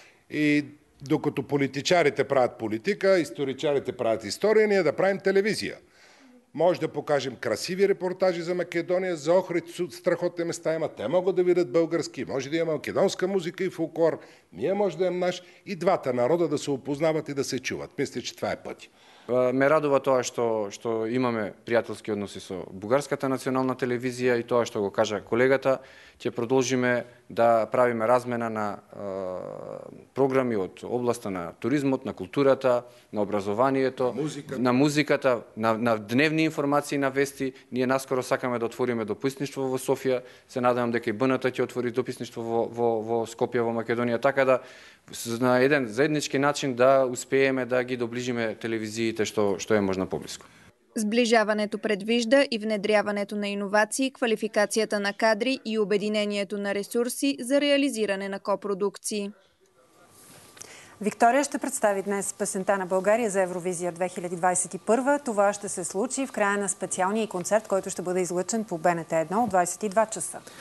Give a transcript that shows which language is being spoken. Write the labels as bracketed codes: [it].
[bg] И докато политичарите правят политика, историчарите правят история, ние да правим телевизия. Може да покажем красиви репортажи за Македония, за Охрид, страхотни места има. Те могат да видят български, може да има македонска музика и фолклор. Ние може да имам наш и двата народа да се опознават и да се чуват. Мисля, че това е пътя. [mk] Ме радува тоа што имаме пријателски односи со Бугарската национална телевизија и тоа што го кажа колегата, ќе продолжиме да правиме размена на програми од областта на туризмот, на културата, на образованието, на музиката, на дневни информации, на вести. Ние наскоро сакаме да отвориме дописништво во Софија. Се надевам дека и БНТ ќе отвори дописништво во Скопје, во Македонија, така да на еден заеднички начин да успееме да ги доближиме телевизиите што е можна поблиску. [bg] Сближаването предвижда и внедряването на иновации, квалификацијата на кадри и обединението на ресурси за реализиране на копродукции. Виктория ще представи днес песента на България за Евровизия 2021. Това ще се случи в края на специалния концерт, който ще бъде излъчен по БНТ 1 от 22 часа.